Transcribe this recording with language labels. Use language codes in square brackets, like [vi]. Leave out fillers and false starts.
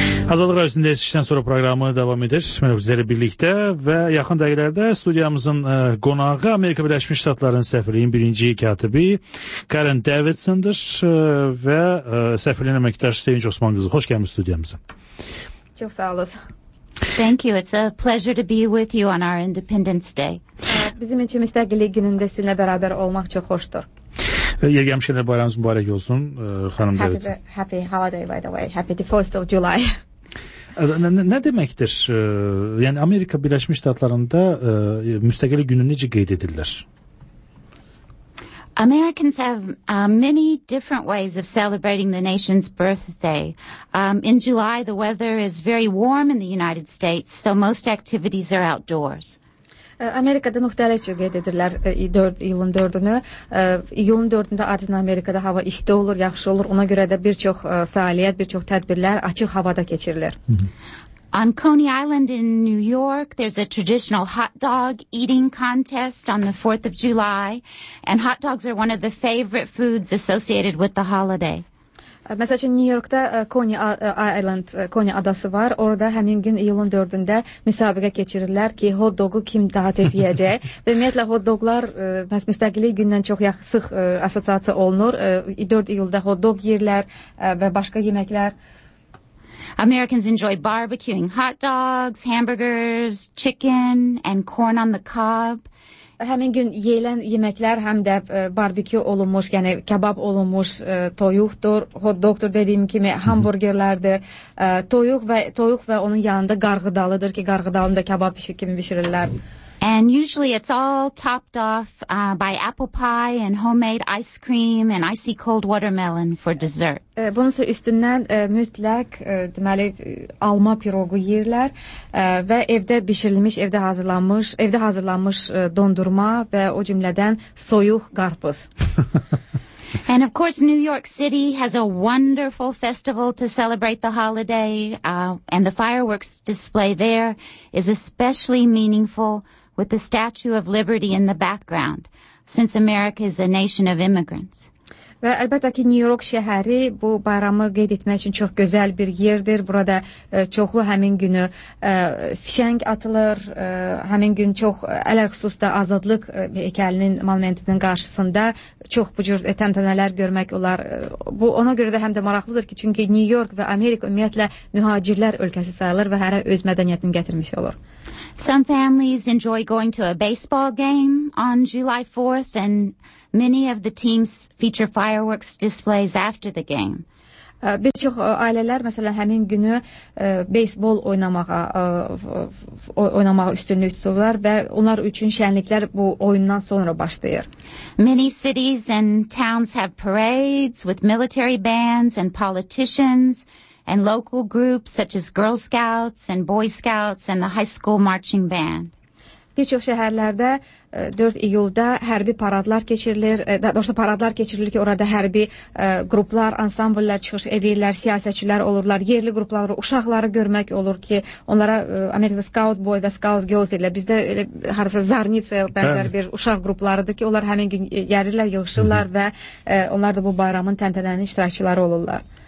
[az] Azadlıq Radiosunda işdən sonra proqramı davam edir. Sizlərlə birlikdə və yaxın dəqiqələrdə studiyamızın qonağı Amerika Birləşmiş Ştatlarının səfirliyinin birinci katibi Karen Davidson-dır və səfirliyin əməkdaşı Sevinç Osman qızı. Xoş gəlmiş studiyamıza. Çox sağ olun. [en] Thank you. It's a pleasure to be with you on our Independence Day. [az] Bizim üçün müstəqillik günündə sizinlə bərabər olmaq çox xoşdur. Yəqəm şəhərlə bayramınız mübarək olsun, xanım Davidson. [en] Happy holiday, by the way. Happy the 1st of July. [az] Nə deməkdir? Yəni, Amerika Birləşmiş Ştatlarında müstəqillik günü necə qeyd edirlər? [en] Americans have many different ways of celebrating the nation's birthday. In July, the weather is very warm in the United States, so most activities are outdoors. [az] Amerikada müxtəlif cür qeyd edirlər iyulun 4-ünü. İyulun 4-ündə adətən Amerikada hava isti olur, yaxşı olur. Ona görə də bir çox fəaliyyət, bir çox tədbirlər açıq havada keçirilir. [en] On Coney Island in New York, there's a traditional hot dog eating contest on the 4th of July, and hot dogs are one of the favorite foods associated with the holiday. [az] Məsəl üçün, New Yorkda Coney Adası var. Orada həmin gün iyulun 4-ündə müsabiqə keçirirlər ki, hot dogu kim daha tez yiyəcək. Və ümumiyyətlə, hot doglar müstəqillik gündən çox sıx assosiasiya olunur. 4 iyulda hot dog yerlər və başqa yeməklər. [en] Americans enjoy barbecuing hot dogs, hamburgers, chicken and corn on the cob. [az] Həmin gün yeyilən yeməklər həm də barbekyu olunmuş, yəni kebab olunmuş, toyuqdur, hot dogdur dediyim kimi, hamburgerlərdir, toyuq və onun yanında qarğıdalıdır ki, qarğıdalını da kebab pişi kimi bişirirlər. [en] And usually it's all topped off by apple pie and homemade ice cream and icy cold watermelon for dessert. [az] Bunun üstündən mütləq deməli alma piroqu yeyirlər və evdə hazırlanmış dondurma və o cümlədən soyuq qarpız. [en] And of course New York City has a wonderful festival to celebrate the holiday and the fireworks display there is especially meaningful. With the Statue of Liberty in the background, since America is a nation of immigrants. [az] Və əlbəttə ki, New York şəhəri bu bayramı qeyd etmək üçün çox gözəl bir yerdir. Burada çoxlu həmin günü fişəng atılır, həmin gün çox ələxüsus da azadlıq heykəlinin monumentinin qarşısında çox bu cür təntənələr görmək olar. Bu ona görə də həm də maraqlıdır ki, çünki New York və Amerika ümumiyyətlə mühacirlər ölkəsi sayılır və hərə öz mədəniyyətini gətirmiş olur. [en] Some families enjoy going to a baseball game on July 4th and many of the teams feature fireworks displays after the game. [az] Bir çox ailələr məsələn həmin günü beysbol oynamağa üstünlük tuturlar və onlar üçün şənliklər bu oyundan sonra başlayır. [en] Many cities and towns have parades with military bands and politicians. And local groups such as Girl Scouts and Boy Scouts and the high school marching band. [az] Bir çox şəhərlərdə 4 iyulda hərbi paradlar keçirilir. Doğrusu paradlar keçirilir ki, orada hərbi qruplar, ansambllər çıxış edirlər, siyasətçilər olurlar, yerli qrupları, uşaqları görmək olur ki, onlara American Scout Boy və Scout Girls ilə bizdə elə harasa Zarnitsa bənzər bir uşaq qruplarıdır ki, onlar həmin gün gəlirlər, yığışırlar və onlar da bu bayramın təntənənin iştirakçıları olurlar.